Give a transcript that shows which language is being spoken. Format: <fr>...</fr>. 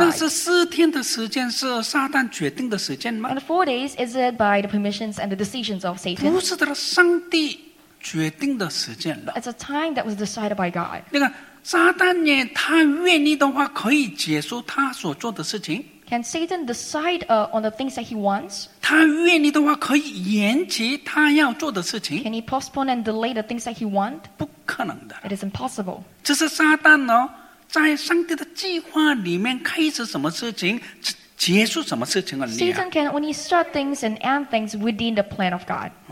<zh>那是4天的时间是撒旦决定的时间吗？</zh> <en>And 4 days is it by the permissions and the decisions of Satan?</en> <zh>不是的，上帝决定的时间了。</zh> <en>It's a time that was decided by God.</en> <zh>那个撒旦呢，他愿意的话，可以结束他所做的事情。</zh> <en>Can Satan decide on the things that he wants?</en> <zh>他愿意的话，可以延期他要做的事情。</zh> <en>Can he postpone and delay the things that he wants?</en> <zh>不可能的。</zh> <en>It is impossible.</en> <zh>这是撒旦呢，在上帝的计划里面开始什么事情，结束什么事情而已。</zh> <en>Satan can only start things and end things within the plan of God.</en>